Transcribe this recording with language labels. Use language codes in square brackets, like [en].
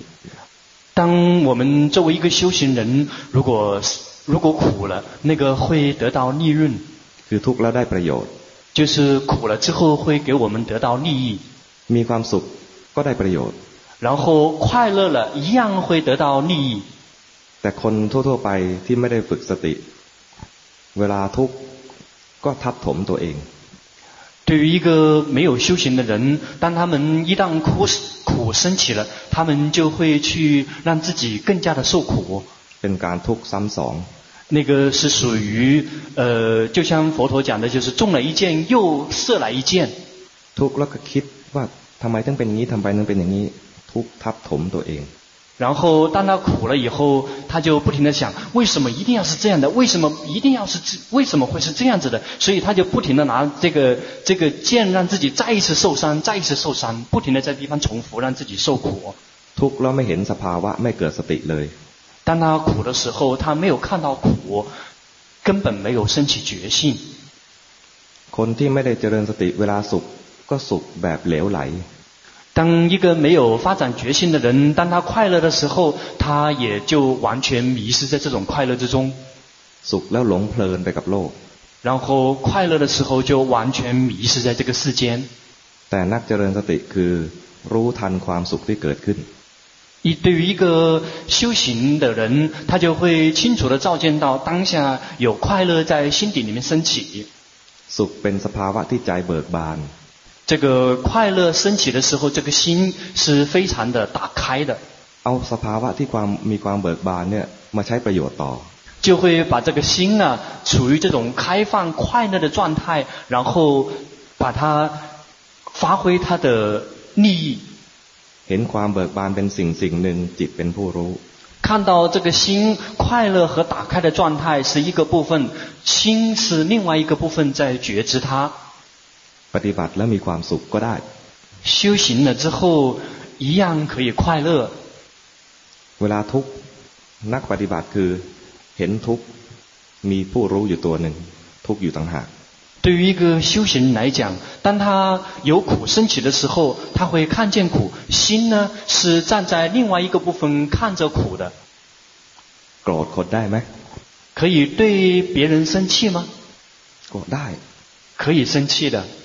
[zh] 当我们作为一个修行人如果苦了那个会得到利润 [th] คือทุกข์แล้วได้ประโยชน์ [zh] 就是苦了之后会给我们得到利益 [th] มีความสุขก็ได้ประโยชน์ [zh] 然后快乐了一样会得到利益 [th] แต่คนทั่วๆไปที่ไม่ได้ฝึกสติเวลาทุกข์ก็ทับถมตัวเอง [zh] 对于一个没有修行的人当他们一旦苦升起了他们就会去让自己更加的受苦 [th] เป็นการทุกข์ซ้ำสอง [zh] 那个是属于就像佛陀讲的就是中了一箭又射来一箭 [th] ทุกข์แล้วก็คิดว่าทำไมต้องเป็นอย่างนี้ทำไมต้องเป็นอย่างนี้ทุกข์ทับถมตัวเอง [zh] 然后当他苦了以后他就不停地想为什么一定要是这样的为什么会是这样子的所以他就不停地拿这个剑让自己再一次受伤不停地在地方重复让自己受苦 [th] ทุกข์แล้วไม่เห็นสภาวะไม่เกิดสติเลย [zh] 当他苦的时候他没有看到苦根本没有升起决心 [th] คนที่ไม่ได้เจริญสติเวลาสุขก็สุขแบบเหลวไหล [zh] 当一个没有发展决心的人当他快乐的时候他也就完全迷失在这种快乐之中 [th] สุขแล้วหลงเพลินไปกับโลก [zh] 然后快乐的时候就完全迷失在这个世间 [th] แต่นักเจริญสติคือรู้ทันความสุขที่เกิดขึ้น [zh] 对于一个修行的人他就会清楚地照见到当下有快乐在心底里面升起 [th] สุขเป็นสภาวะที่ใจเบิกบาน [zh] 这个快乐升起的时候这个心是非常的打开的 [th] เอาสภาวะที่ความมีความเบิกบานเนี่ยมาใช้ประโยชน์ต่อ [zh] 就会把这个心啊处于这种开放快乐的状态然后把它发挥它的利益 [th] เห็นความเบิกบานเป็นสิ่งหนึ่งจิตเป็นผู้รู้ [zh] 看到这个心快乐和打开的状态是一个部分心是另外一个部分在觉知它 [th] ปฏิบัติแล้วมีความสุขก็ได้ [zh] 修行了之后一样可以快乐 [th] เวลาทุกข์นักปฏิบัติคือเห็นทุกข์มีผู้รู้อยู่ตัวหนึ่งทุกข์อยู่ต่างหาก [zh] 对于一个修行人来讲当他有苦升起的时候他会看见苦心呢是站在另外一个部分看着苦的 [th] โกรธคนได้ไหม [zh] 可以对别人生气吗 [th] โกรธได้ [zh] 可以生气的